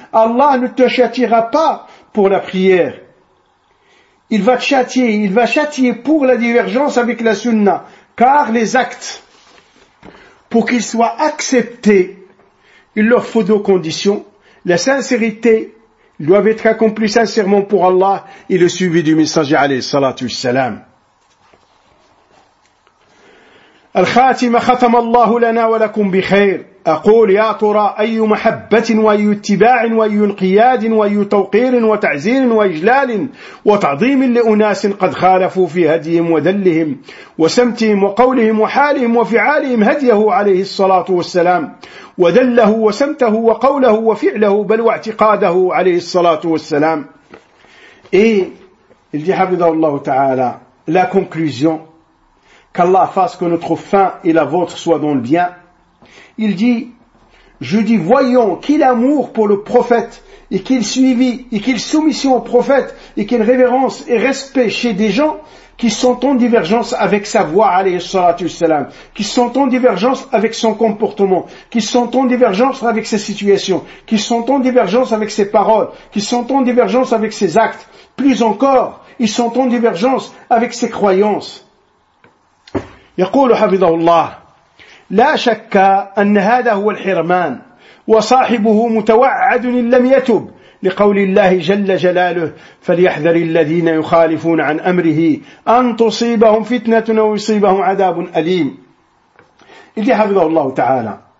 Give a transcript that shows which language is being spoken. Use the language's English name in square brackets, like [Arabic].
[French] Allah ne te châtiera pas pour la prière. Il va te châtier, il va châtier pour la divergence avec la sunna. Car les actes, pour qu'ils soient acceptés, il leur faut deux conditions. La sincérité, ils doivent être accomplis sincèrement pour Allah et le suivi du messager, alayhi salatu wassalam. [Arabic] الخاتمة ختم الله لنا ولكم بخير أقول يا ترى أي محبة وأي اتباع وأي انقياد وأي توقير وتعزير وإجلال وتعظيم لأناس قد خالفوا في هديهم ودلهم وسمتهم وقولهم وحالهم وفعالهم هديه عليه الصلاة والسلام ودله وسمته وقوله وفعله بل واعتقاده عليه الصلاة والسلام إيه اللي حفظه الله تعالى لا conclusion. [French] Qu'Allah fasse que notre fin et la vôtre soient dans le bien. Il dit, je dis, voyons quel amour pour le prophète et quel suivi et quelle soumission au prophète et quelle révérence et respect chez des gens qui sont en divergence avec sa voix, alayhi salatu wassalam, qui sont en divergence avec son comportement, qui sont en divergence avec ses situations, qui sont en divergence avec ses paroles, qui sont en divergence avec ses actes. Plus encore, ils sont en divergence avec ses croyances. [Arabic] يقول حفظه الله لا شك أن هذا هو الحرمان وصاحبه متوعد إن لم يتب لقول الله جل جلاله فليحذر الذين يخالفون عن أمره أن تصيبهم فتنة أو يصيبهم عذاب أليم اللي حفظه الله تعالى